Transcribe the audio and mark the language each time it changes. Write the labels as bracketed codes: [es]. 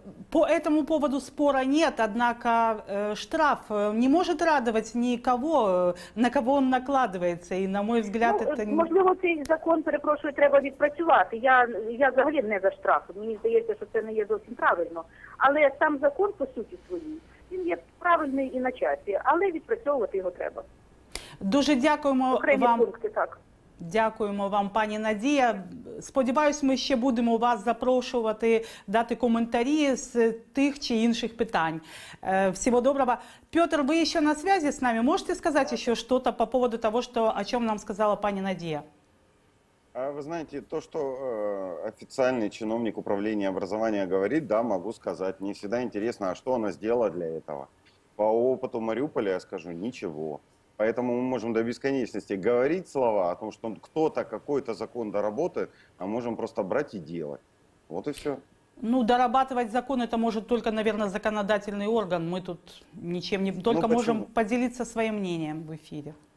[ru] По этому поводу спора нет, однако штраф не может радовать никого, на кого он накладывается, и на мой взгляд, это не... [uk] Можливо, цей закон, перепрошую, треба відпрацювати. Я взагалі не за штраф, мені здається, що це не є зовсім правильно, але сам закон по суті своїй, він є правильний і на часі, але відпрацьовувати його треба. Дуже дякуємо окремі вам. Окремі пункти, так. Дякуємо вам, пані Надія. Сподіваюсь, ми ще будемо вас запрошувати дати коментарі з тих чи інших питань. Всього доброго. Петр, ви ще на зв'язі з нами? Можете сказати ще щось [ru] по поводу [uk] того, що, о чому нам сказала пані Надія? А ви знаєте, то, що офіційний чиновник управління образування говорить, да, можу сказати. Мені завжди цікаво, а що вона зробила для цього? По опиту Маріуполя я скажу, нічого. [ru] Поэтому мы можем до бесконечности говорить слова о том, что кто-то какой-то закон доработает, а можем просто брать и делать. Вот и все. Ну, дорабатывать закон это может только, наверное, законодательный орган. Мы тут ничем не... Только можем поделиться своим мнением в эфире.